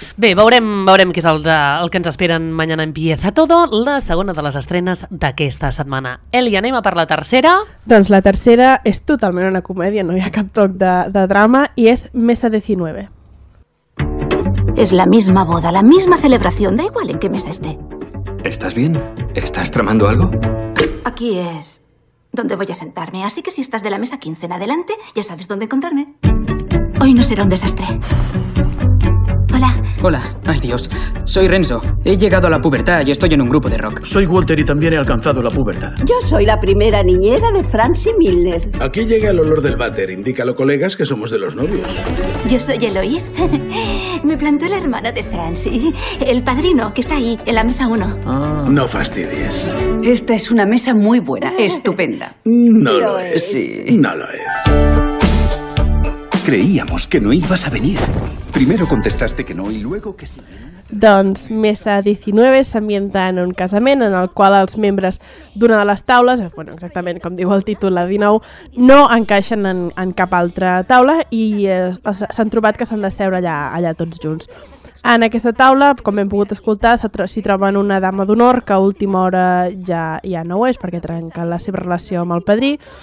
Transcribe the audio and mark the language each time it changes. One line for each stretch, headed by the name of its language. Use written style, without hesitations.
Catalan: Bé, veurem què és el que ens esperen Mañana empieza todo, la segona de les estrenes d'aquesta setmana. Eli, anem a per la tercera. Doncs la tercera és totalment una comèdia, no hi ha cap toc de drama, i és Mesa 19.
Spanish: És la misma boda, la misma celebració, da igual en què mesa esté. ¿Estás bien? ¿Estás tramando algo? Aquí es donde voy a sentarme, así que si estás de la mesa 15 en adelante, ya sabes dónde encontrarme. Hoy no será un desastre. Hola. Hola, ay Dios, soy Renzo. He llegado a la pubertad y estoy en un grupo de rock. Soy Walter y también he alcanzado la pubertad. Yo soy la primera niñera de Francie Miller. Aquí llega el olor del váter, indícalo colegas que somos de los novios. Yo soy Eloís. Me plantó la hermana de Francie, el padrino, que está ahí, en la mesa 1. Oh. No fastidies. Esta es una mesa muy buena, estupenda. No lo es. Sí. No lo es. Creíamos que no ibas a venir. Primero contestaste que no y luego que sí.
Catalan: Doncs Mesa 19 s'ambienta en un casament en el qual els membres d'una de les taules, bueno, exactament com diu el títol, la 19, no encaixen en cap altra taula i s'han trobat que s'han de seure allà tots junts. En aquesta taula, com hem pogut escoltar, s'hi troben una dama d'honor que a última hora ja no ho és perquè trenca la seva relació amb el padrí.